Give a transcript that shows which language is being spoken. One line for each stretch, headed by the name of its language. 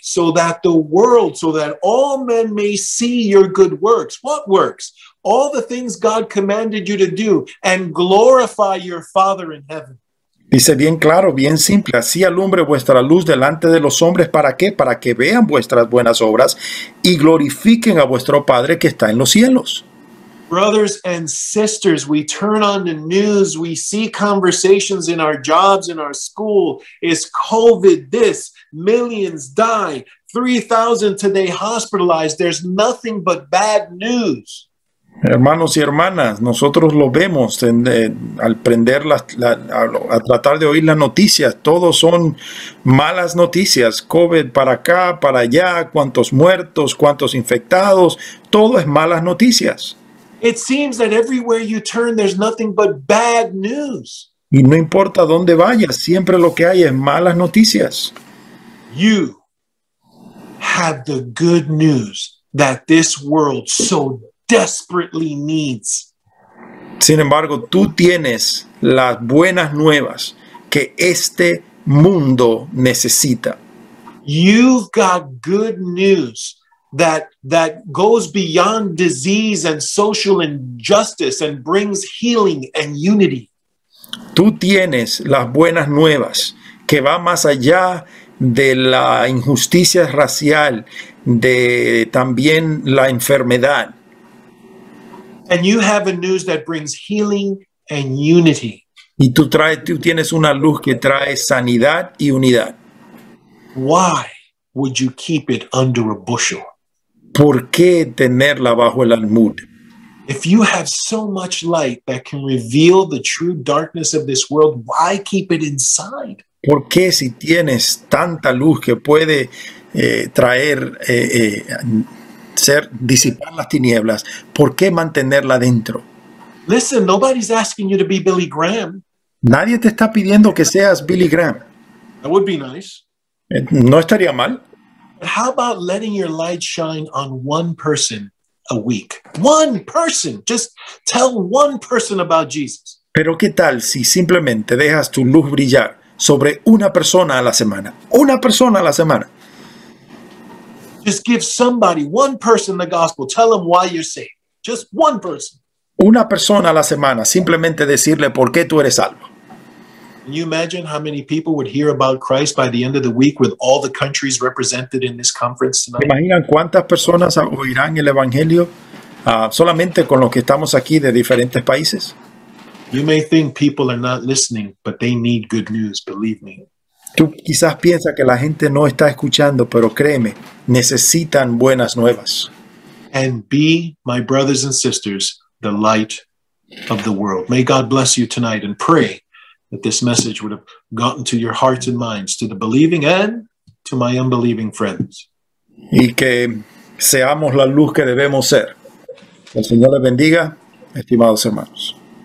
English: So that the world, so that all men may see your good works. What works? All the things God commanded you to do and glorify your Father in heaven.
Spanish: Dice bien claro, bien simple. Así alumbre vuestra luz delante de los hombres. ¿Para qué? Para que vean vuestras buenas obras y glorifiquen a vuestro Padre que está en los cielos.
English: Brothers and sisters, we turn on the news, we see conversations in our jobs, in our school. Is COVID this? Millions die, 3,000 today hospitalized. There's nothing but bad news.
Spanish: Hermanos y hermanas, nosotros lo vemos al prender a tratar de oír las noticias. Todos son malas noticias. COVID para acá, para allá, cuántos muertos, cuántos infectados. Todo es malas noticias.
English: It seems that everywhere you turn, there's nothing but bad news.
Spanish: Y no importa dónde vayas, siempre lo que hay es malas noticias.
English: You have the good news that this world so desperately needs.
Spanish: Sin embargo, tú tienes las buenas nuevas que este mundo necesita.
English: You've got good news that goes beyond disease and social injustice and brings healing and unity.
Spanish: Tú tienes las buenas nuevas que va más allá de la injusticia racial, de también la enfermedad.
English: And you have a news that brings healing and unity.
Spanish: Y tú tienes una luz que trae sanidad y unidad.
English: Why would you keep it under a bushel?
Spanish: ¿Por qué tenerla bajo el almud?
English: If you have so much light that can reveal the true darkness of this world, why keep it inside?
Spanish: ¿Por qué si tienes tanta luz que puede traer, ser disipar las tinieblas, por qué mantenerla dentro?
English: Listen, nobody's asking you to be Billy Graham.
Spanish: Nadie te está pidiendo que seas Billy Graham.
English: That would be nice.
Spanish: No estaría mal.
English: How about letting your light shine on one person a week? One person. Just tell one person about Jesus.
Spanish: Pero qué tal si simplemente dejas tu luz brillar sobre una persona a la semana? Una persona a la semana.
English: Just give somebody, one person, the gospel. Tell them why you're saved. Just one person.
Spanish: Una persona a la semana. Simplemente decirle por qué tú eres salvo.
English: Can you imagine how many people would hear about Christ by the end of the week with all the countries represented in this conference tonight?
Spanish: ¿Imaginan cuántas personas oirán el evangelio solamente con los que estamos aquí de diferentes países?
English: You may think people are not listening, but they need good news, believe me.
Spanish: Tú quizás piensas que la gente no está escuchando, pero créeme, necesitan buenas nuevas.
English: And be, my brothers and sisters, the light of the world. May God bless you tonight and pray that this message would have gotten to your hearts and minds, to the believing and to my unbelieving friends.
Spanish: Y que seamos la luz que debemos ser. El Señor les bendiga, estimados hermanos.